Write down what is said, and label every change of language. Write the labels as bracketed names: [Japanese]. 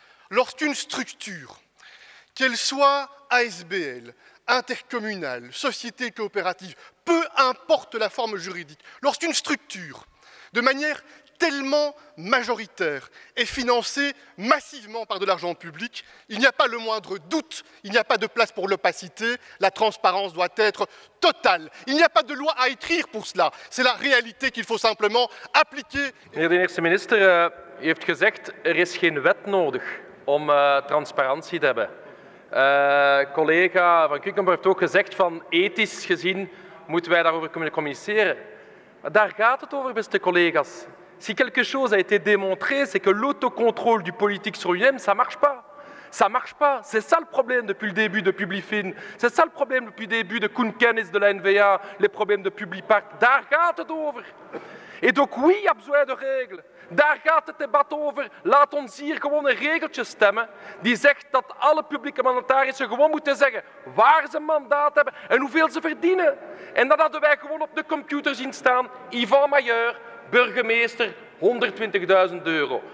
[French] Lorsqu'une structure, qu'elle soit ASBL, intercommunale, société coopérative, peu importe la forme juridique, lorsqu'une structure, de manière tellement majoritaire, est financée massivement par de l'argent public, il n'y a pas le moindre doute, il n'y a pas de place pour l'opacité, la transparence doit être totale. Il n'y a pas de loi à écrire pour cela, c'est la réalité qu'il faut simplement appliquer. [Dutch] Meneer de eerste minister, u heeft gezegd, er is geen wet nodig om transparantie te hebben. Collega Van Kuykenborg heeft ook gezegd van ethisch gezien moeten wij daarover kunnen communiceren. Daar gaat het over, beste collega's. [French] Si quelque chose a été démontré, c'est que l'autocontrôle du politique sur lui-même, ça marche pas. Ça marche pas. C'est ça le problème depuis le début de Publifin. C'est ça le problème depuis le début de Koen Kennis de la NVA, les problèmes de Publipart. [Dutch] Daar gaat het over. [French] Et donc oui, il y a besoin de règles. [Dutch] Daar gaat het debat over. Laat ons hier gewoon een regeltje stemmen die zegt dat alle publieke mandatarissen gewoon moeten zeggen waar ze mandaat hebben en hoeveel ze verdienen. En dat hadden wij gewoon op de computer zien staan. Yvan Mayeur, burgemeester, 120.000 euro.